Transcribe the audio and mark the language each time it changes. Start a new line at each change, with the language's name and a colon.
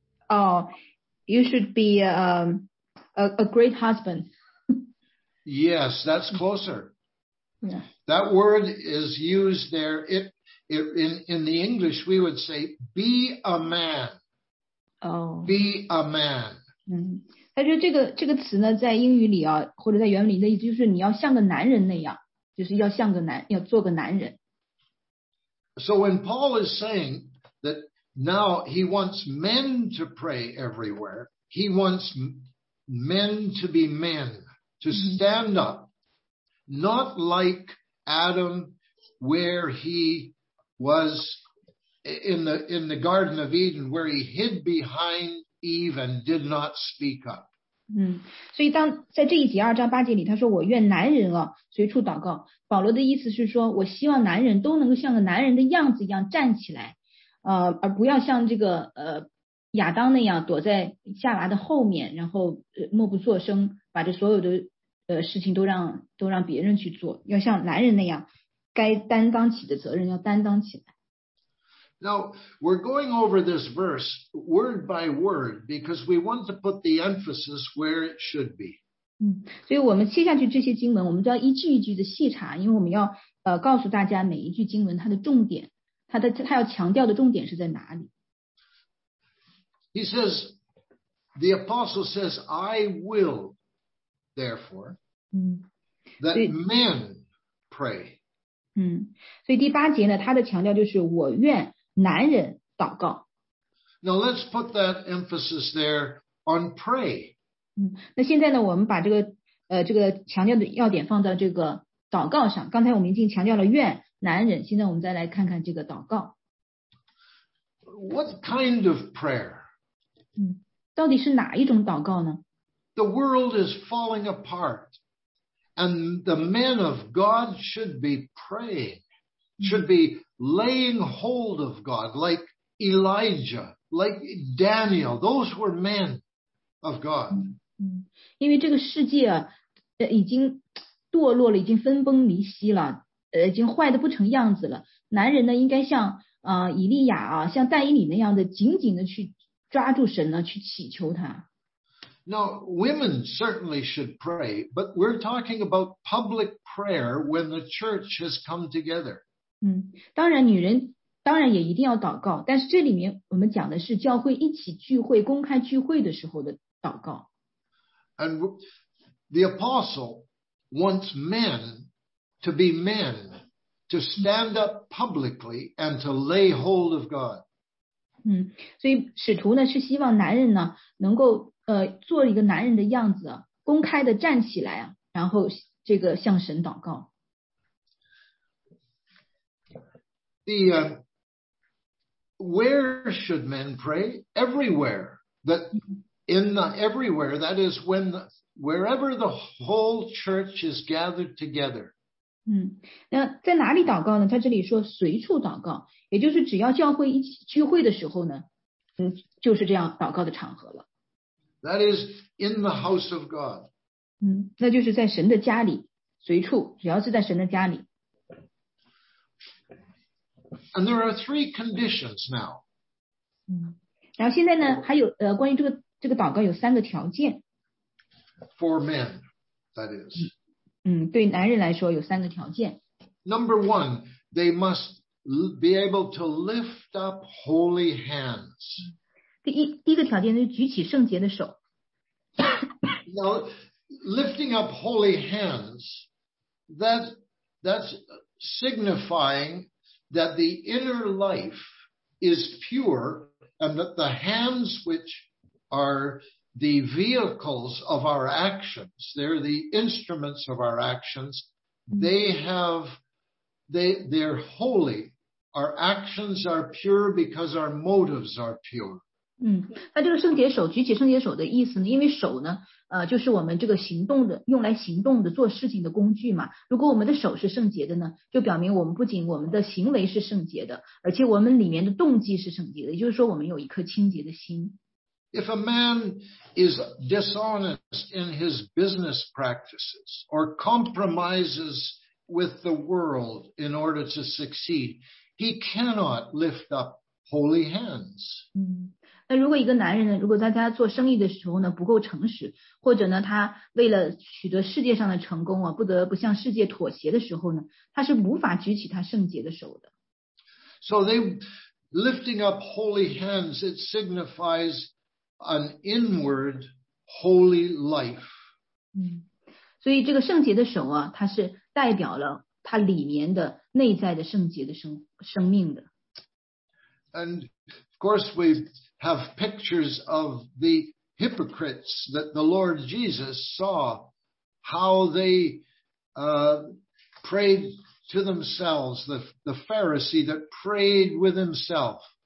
English: Oh, you should be a great husband. Yes, that's closer. Yeah. That word is used there. In the English, we would say, be a man. Oh. Be a man.
Chinese: 他说这个词呢，在英语里啊，或者在原文里的意思就是你要像个男人那样，就是要像个男，要做个男人。
English: So when Paul is saying that now he wants men to pray everywhere, he wants men to be men, to stand up, not like Adam where he was in the Garden of Eden, where he hid behind Eve and did not speak up.
Chinese: 所以当在这一节二章八节里他说我愿男人啊随处祷告保罗的意思是说我希望男人都能够像个男人的样子一样站起来而不要像这个亚当那样躲在夏娃的后面然后默不作声把这所有的事情都让别人去做要像男人那样该担当起的责任要担当起来
English: Now, we're going over this verse word by word because we want to put the emphasis where it should be.
Chinese: 所以我们切下去这些经文，我们都要一句一句的细查，因为我们要告诉大家每一句经文它的重点，它要强调的重点是在哪里。
English: He says, the apostle says, I will, therefore, that men pray.
Chinese: 所以第八节呢，它的强调就是我愿男人祷告。
English: Now let's put that emphasis there on pray.
Chinese: 那现在呢我们把这个强调的要点放到这个祷告上。刚才我们已经强调了愿男人，现在我们再来看看这个祷告。
English: What kind of prayer?
Chinese: 到底是哪一种祷告呢？
English: The world is falling apart, and the men of God should be praying, should be laying hold of God, like Elijah, like Daniel. Those were men. Of God.
Chinese: 因为这个世界已经堕落了，已经分崩离析了，已经坏得不成样子了。男人呢，应该像以利亚啊，像但以理那样的，紧紧的去抓住神呢，去祈求他。
English: Now, women certainly should pray, but we're talking about public prayer when the church has come together.
Chinese: 当然女人当然也一定要祷告，但是这里面我们讲的是教会一起聚会、公开聚会的时候的祷告。
English: And the apostle wants men to be men, to stand up publicly and to lay hold of God.
Chinese: 所以使徒呢是希望男人呢能够做一个男人的样子，公开的站起来，然后这个向神祷告。
English: Where should men pray? Everywhere. That in the everywhere, that is when the, wherever the whole church is gathered together.
Chinese: 那在哪里祷告呢？在这里说随处祷告，也就是只要教会一起聚会的时候呢，就是这样祷告的场合了。
English: That is in the house of God.
Chinese: 那就是在神的家里，随处，只要是在神的家里。
English: And there are three conditions now.
Chinese: 然后现在呢还有关于这个祷告有三个条件。
English: For men, that is.
Chinese: 对男人来说有三个条件。
English: Number one, they must be able to lift up holy hands.
Chinese: 第一个条件就是举起圣洁的手。
English: Now, lifting up holy hands, that's signifying that the inner life is pure and that the hands which are the vehicles of our actions, they're the instruments of our actions, they're holy. Our actions are pure because our motives are pure.
Chinese: 那这个圣洁手举起圣洁手的意思呢，因为手呢就是我们这个行动的用来行动的做事情的工具嘛。如果我们的手是圣洁的呢，就表明我们不仅我们的行为是圣洁的，而且我们里面的动机是圣洁的，也就是说我们有一颗清洁的心。
English: If a man is dishonest in his business practices or compromises with the world in order to succeed, he cannot lift up holy hands.
Chinese: 那如果一个男人呢，如果在他做生意的时候呢不够诚实，或者呢他为了取得世界上的成功啊，不得不向世界妥协的时候呢，他是无法举起他圣洁的手的。
English: So they lifting up holy hands, it signifies an inward holy life.
Chinese: 所以这个圣洁的手啊，它是代表了他里面的内在的圣洁的生命的。
English: And of course we have pictures of the hypocrites that the Lord Jesus saw, how they prayed to themselves, the Pharisee that prayed with himself.